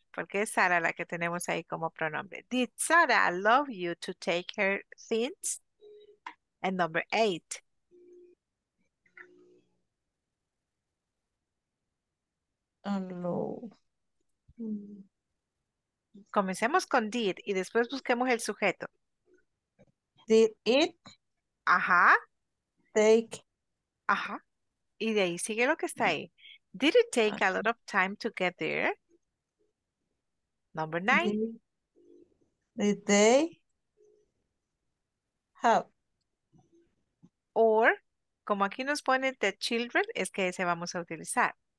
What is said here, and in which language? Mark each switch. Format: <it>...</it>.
<es>Porque es Sara la que tenemos ahí como pronombre.</es> <en>Did Sara allow you to take her things? And number eight. Allow.</en> <es>Comencemos con did y después busquemos el sujeto.</es> <en>Did it?</en> <es>Ajá.</es> <en>Take.</en> <es>Ajá. Y de ahí sigue lo que está ahí.</es> <en>Did it take a lot of time to get there? Number nine. Did they help?</en> <es>Or, como aquí nos pone the children, es que ese vamos a utilizar.</es>